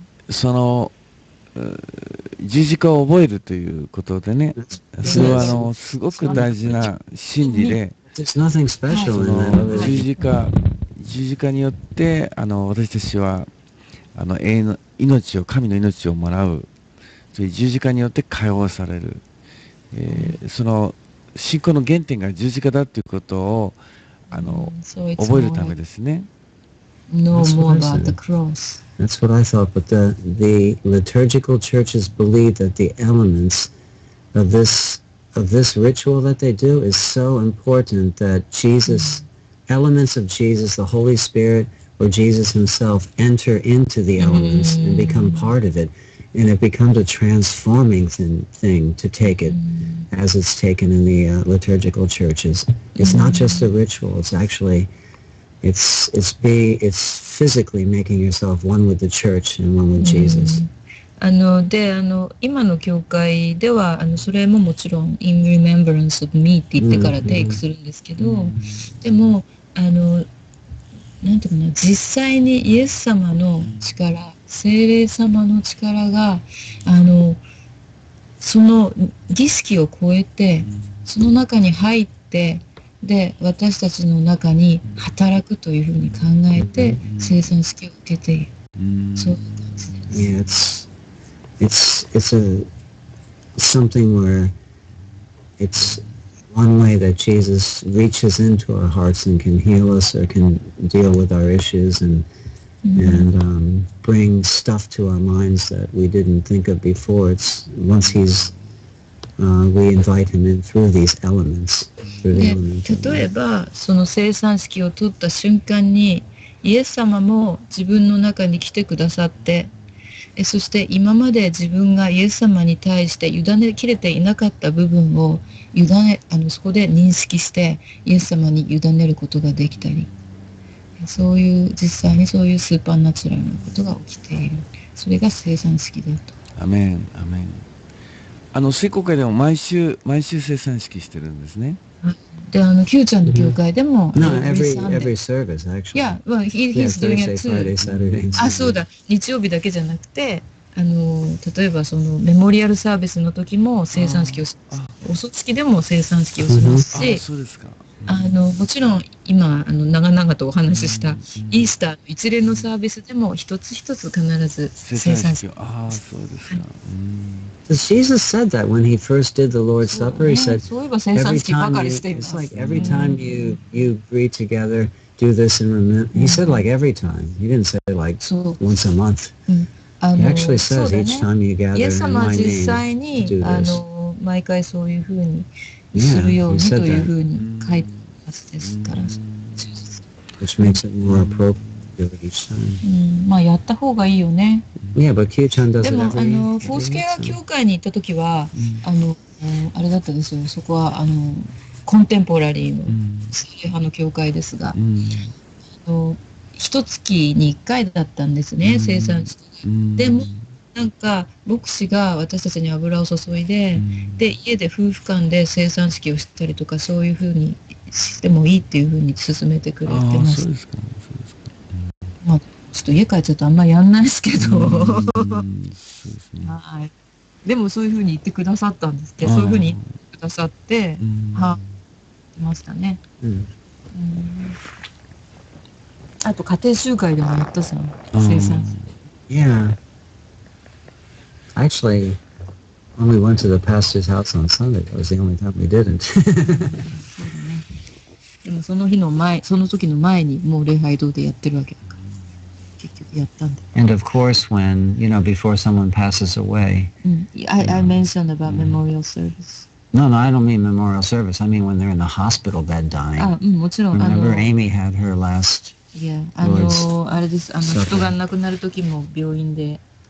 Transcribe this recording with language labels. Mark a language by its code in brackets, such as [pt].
[ja] その、十字架を覚えるということでね、それはすごく大事な真理で、十字架によって私たちは永遠の命を、神の命をもらう。十字架によって解放される、その信仰の原点が十字架だということを覚えるためですね。 [en] No more about the cross. That's what I thought, but the liturgical churches believe that the elements of this ritual that they do is so important that Jesus, elements of Jesus, the Holy Spirit or Jesus himself enter into the elements and become part of it. And it becomes a transforming thing to take it as it's taken in the liturgical churches. It's not just a ritual. It's actually, it's physically making yourself one with the church and one with Jesus. [ja] で、今の教会では、それももちろん [en] in remembrance of me [ja] って言ってからテイクするんですけど、でも、なんていうかな、実際にイエス様の力、聖霊様の力がその儀式を超えてその中に入って、で私たちの中に働くというふうに考えて聖餐式を受けている、そういう感じです。 [en] Yeah, it's something where it's one way that Jesus reaches into our hearts and can heal us or can deal with our issues andbring stuff to our minds that we didn't think of before. It's once we invite him in through these elements. Through the [ja] 例えば、その聖餐式を取った瞬間に、イエス様も自分の中に来てくださって、そして今まで自分がイエス様に対して委ねきれていなかった部分を委ね、そこで認識して、イエス様に委ねることができたり。そういう、実際にそういうスーパーナチュラルなことが起きている、それが聖餐式だと。アメン、アメン。聖公会でも毎週聖餐式してるんですね。で、キューちゃんの教会でも、 [en] No, every service, actually. Yeah, well, he's doing it too. Thursday, Saturday, [ja] Sunday. あ、そうだ、日曜日だけじゃなくて、例えばそのメモリアルサービスの時も聖餐式をします。遅月でも聖餐式をしますし。あ、そうですか。もちろん今長々とお話ししたイースターの一連のサービスでも一つ一つ必ず生産式。ああ、そうですか。 [en] So Jesus said that when he first did the Lord's Supper, he said, [ja] そういえば生産式ばかりしています。 [en] It's like every time you greet together, do this and remember. He said like every time. He didn't say like once a month. He actually says each time you gather in my name, do this. [ja] 毎回そういうふうに。するようにというふうに書いてますですから、 [en] Which makes it more appropriate each time. [ja] まあやった方がいいよね。 [en] Yeah, but Q-chan [ja] でもフォースケア教会に行った時は、あれだったんですよ。そこはコンテンポラリーの聖霊派の教会ですが、一月に一回だったんですね、生産式。でもなんか牧師が私たちに油を注いで、うん、で家で夫婦間で生産式をしたりとかそういう風にしてもいいっていう風に勧めてくれてます。あ、そうですか、ね、そうですか、ね、まあ、ちょっと家帰っちゃうとあんまやんないですけど、そうですね、はい、でもそういう風に言ってくださったんですけど、そういう風に言ってくださって、はい、いましたね、うん、うん、あと家庭集会でもやったさ、生産 [en] 式。Yeah. Actually, when we went to the pastor's house on Sunday, that was the only time we didn't. [ja] でもその日の前、その時の前にもう礼拝堂でやってるわけだから。 [en] And of course, when, you know, before someone passes away. I mentioned about memorial service. No, no, I don't mean memorial service. I mean when they're in the hospital bed dying. [ja] あ、うん、もちろん。 [en] Remember, Amy had her last. [ja] Yeah, あれです。あの、人が亡くなる時も病院で。